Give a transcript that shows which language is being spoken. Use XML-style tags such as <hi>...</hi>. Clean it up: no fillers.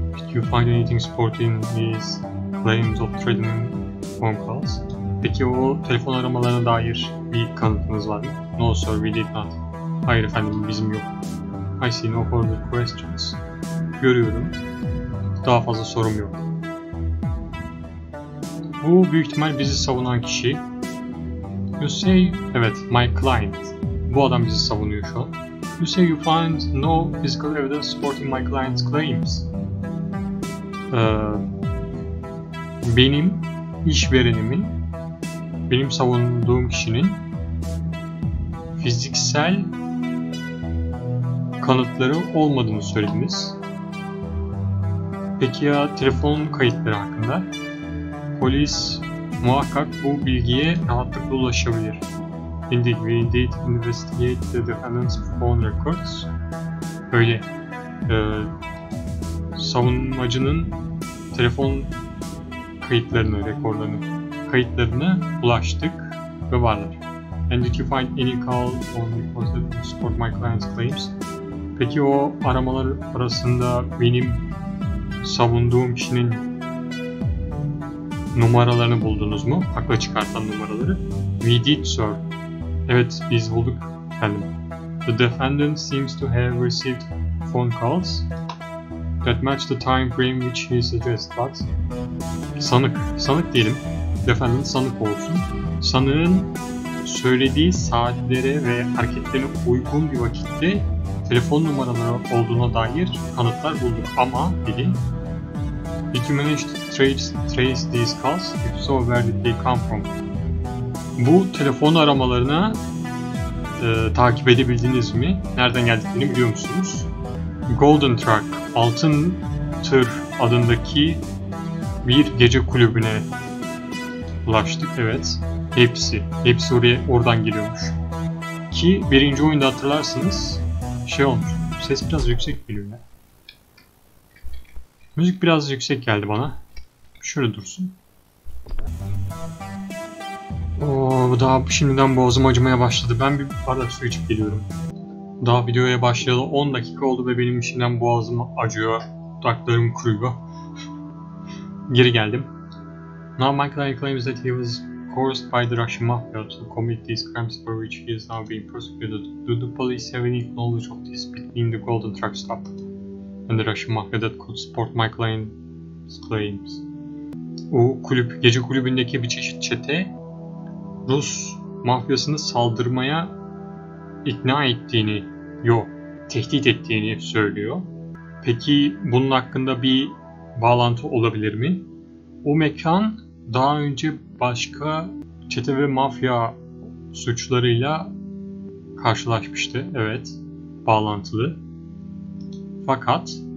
<en>Did you find anything supporting these claims of threatening phone calls?</en> <tr>Peki o telefon aramalarına dair bir kanıtınız var mı?</tr> <en>No sir, we did not.</en> <tr>Hayır efendim, bizim yok.</tr> <en>I see no further questions.</en> <tr>Görüyorum. Daha fazla sorum yok. Bu büyük ihtimal bizi savunan kişi.</tr> <en>You say,</en> <tr>evet,</tr> <en>my client.</en> <tr>Bu adam bizi savunuyor şu an.</tr> <en>You say you find no physical evidence supporting my client's claims.</en> <tr>Benim işverenimin, benim savunduğum kişinin fiziksel kanıtları olmadığını söylediniz. Peki ya telefon kayıtları hakkında? Polis muhakkak bu bilgiye rahatlıkla ulaşabilir.</tr> <en>Indeed, we indeed investigate the defendant's phone records.</en> <tr>Öyle. Savunmacının telefon kayıtlarını, rekorlarını ulaştık ve varlar.</tr> <en>And did you find any call on the phone to support my client's claims?</en> <tr>Peki o aramalar arasında benim savunduğum kişinin numaralarını buldunuz mu? Akla çıkartan numaraları.</tr> <en>We did, sir.</en> <tr>Evet, biz bulduk efendim.</tr> <en>The defendant seems to have received phone calls that match the time frame which he suggests, but...</en> <tr>Sanık diyelim. Defendant sanık olsun. Sanığın söylediği saatlere ve hareketlerine uygun bir vakitte telefon numaraları olduğuna dair kanıtlar bulduk ama dedi.</tr> <en>Did you manage to trace these calls? If so, where did they come from?</en> <tr>Bu telefon aramalarını takip edebildiniz mi? Nereden geldiklerini biliyor musunuz? Golden Truck, altın tır adındaki bir gece kulübüne ulaştık. Evet, hepsi oradan geliyormuş. Ki birinci oyunda hatırlarsınız. Şey olmuş, ses biraz yüksek geliyor ya. Müzik biraz yüksek geldi bana. Şöyle dursun. Oo, daha şimdiden boğazım acımaya başladı. Ben bir bardak su içip geliyorum. Daha videoya başlayalı 10 dakika oldu ve benim şimdiden boğazım acıyor. Dudaklarım kuruyor. Geri geldim.</tr> <en>Now Michael claims that he was coerced by the Russian mafia to commit these crimes for which he is now being prosecuted. Do the police have any knowledge of this between the Golden Truck stop and the Russian mafia that could support Michael's claims?</en> <tr>O kulüp, gece kulübündeki bir çeşit çete Rus mafyasını saldırmaya ikna ettiğini, tehdit ettiğini söylüyor. Peki bunun hakkında bir bağlantı olabilir mi? O mekan daha önce başka çete ve mafya suçlarıyla karşılaşmıştı. Evet, bağlantılı. Fakat</tr>